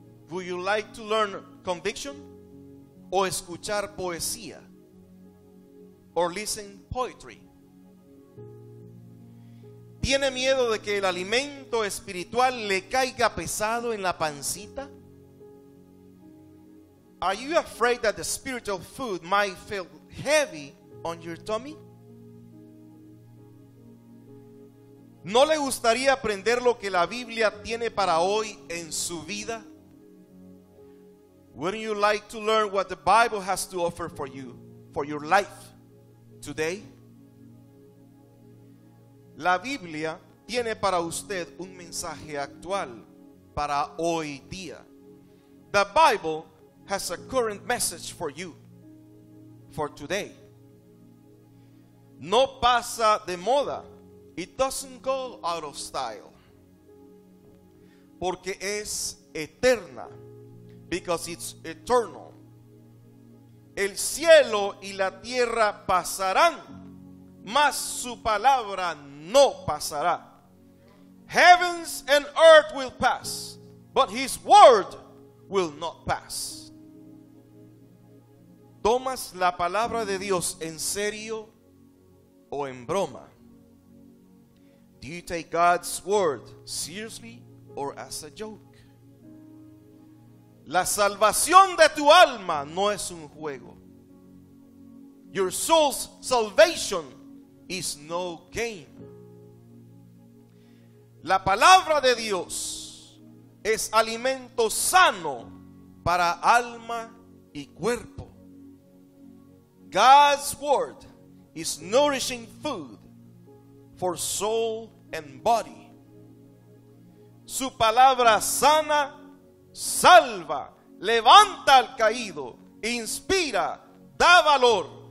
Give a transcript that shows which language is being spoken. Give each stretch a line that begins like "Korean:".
English: Would you like to learn conviction?
Spanish: ¿O escuchar poesía?
English: Or listen poetry?
Spanish: ¿Tiene miedo de que el alimento espiritual le caiga pesado en la pancita?
English: Are you afraid that the spiritual food might feel heavy on your tummy?
Spanish: ¿No le gustaría aprender lo que la Biblia tiene para hoy en su vida?
English: Wouldn't you like to learn what the Bible has to offer for you, for your life today?
Spanish: La Biblia tiene para usted un mensaje actual para hoy día.
English: The Bible has a current message for you, for today.
Spanish: No pasa de moda.
English: It doesn't go out of style.
Spanish: Porque es eterna.
English: Because it's eternal.
Spanish: El cielo y la tierra pasarán, mas su palabra no pasará.
English: Heavens and earth will pass, but his word will not pass.
Spanish: ¿Tomas la palabra de Dios en serio o en broma?
English: Do you take God's word seriously or as a joke?
Spanish: La salvación de tu alma no es un juego.
English: Your soul's salvation is no game.
Spanish: La palabra de Dios es alimento sano para alma y cuerpo.
English: God's word is nourishing food for soul and body.
Spanish: Su palabra sana, salva, levanta al caído, inspira, da valor.